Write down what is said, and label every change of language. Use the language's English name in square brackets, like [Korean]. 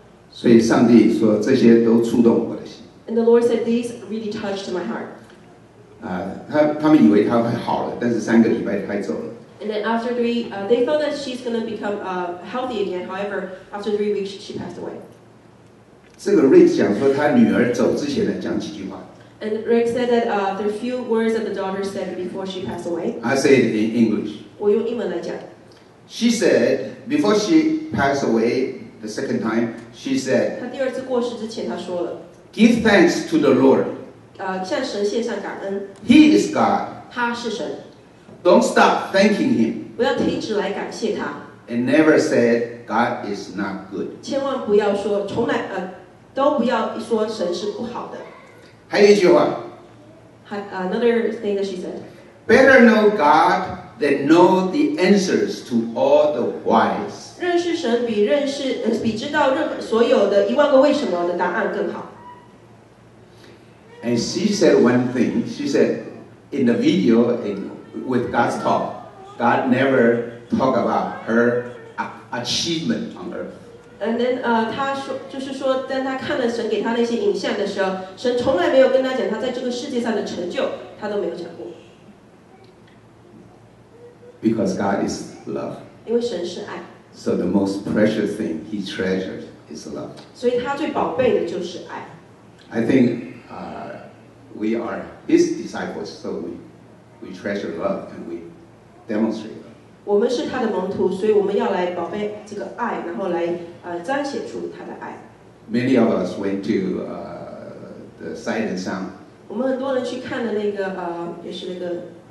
[Chinese] 所以上帝说这些都触动我的心。 [English] And the Lord said these really touched my heart. [Chinese] 他们以为他会好了，但是三个礼拜他走了。 [English] And then after three, they thought that she's gonna become healthy again. However, after 3 weeks, she passed away. [Chinese] 这个瑞讲说他女儿走之前呢，讲几句话。 [English] And Rick said that there are few words that the daughter said before she passed away. I say it in English. [Chinese] 我用英文来讲。 [English] She said, before she passed away the second time, she said, [Chinese] 她第二次过世之前她说了。 [English] Give thanks to the Lord. [Chinese] 向神献上感恩。 [English] He is God. [Chinese] 他是神。 [English] Don't stop thanking him. [Chinese] 不要停止来感谢他。 [English] And never said God is not good. [Chinese] 千万不要说，从来都不要说神是不好的。还有一句话。 [English] Another thing that she said. Better know God than know the answers to all the whys. [Chinese] 认识神比认识比知道任何所有的一万个为什么的答案更好。 [English] And she said one thing. She said in the video and with God's talk, God never talked about her achievement on earth. And then, [Chinese] 她说就是说，当她看了神给她那些影像的时候，神从来没有跟她讲她在这个世界上的成就，她都没有讲过。 [English] Because God is love. [Chinese] 因为神是爱。 [English] So the most precious thing He treasures is love. [Chinese] 所以他最宝贝的就是爱。 [English] I think. We are His disciples, so we treasure love and we demonstrate love. [Chinese] 我们是他的门徒，所以我们要来宝贝这个爱，然后来彰显出他的爱。 [English] Many of us went to the sight and sound. [Chinese] 我们很多人去看了那个也是那个